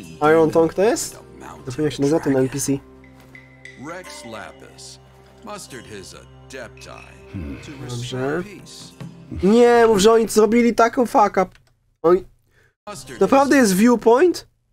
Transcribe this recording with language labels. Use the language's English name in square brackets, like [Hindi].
[Polish] Iron Tongue to jest? To pewnie jak się nazywa ten NPC. [English] Rex Lapis mustered his adepti to restore peace. [Polish] Nie, mów, że oni zrobili taką [English] fuck up. [Polish] Oni... Naprawdę jest viewpoint?